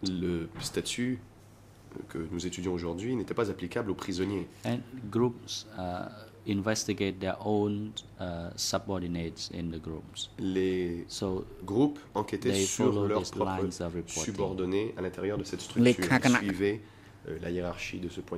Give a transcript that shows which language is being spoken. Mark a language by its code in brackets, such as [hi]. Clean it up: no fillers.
[fr] Le statut que nous étudions aujourd'hui n'était pas applicable aux prisonniers. [en] And groups investigate their own subordinates in the groups. [fr] Les [en] so [fr] groupes enquêtaient sur leurs propres subordonnés à l'intérieur de cette structure et suivaient la hiérarchie de ce point